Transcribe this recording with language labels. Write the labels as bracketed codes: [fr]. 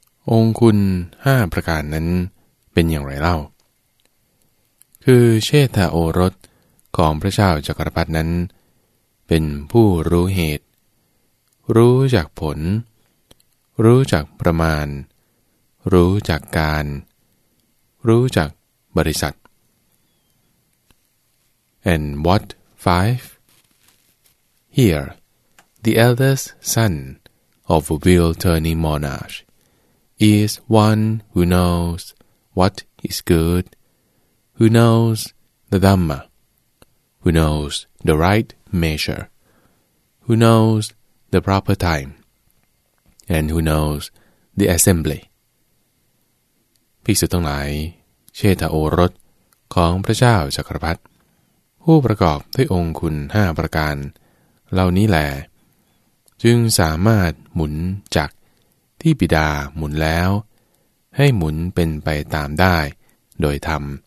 [th] องคุณ5ประการนั้นเป็นอย่างไรเล่าคือเชษฐาโอรสของพระเจ้าจักรพรรดินั้นเป็นผู้รู้เหตุรู้จักผลรู้จักประมาณรู้จักการรู้จักบริษัท [en] And what 5? Here, the eldest son of a wheel-turning monarch is one who knows what is good, who knows the Dhamma, who knows the right measure, who knows the proper time, and who knows the assembly. [th] ภิกษุทั้งหลายเชษฐาโอรสของพระเจ้าจักรพรรดิผู้ประกอบด้วยองค์คุณ5ประการเหล่านี้แหละจึงสามารถหมุนจักรที่บิดาหมุนแล้วให้หมุนเป็นไปตามได้โดยธรรม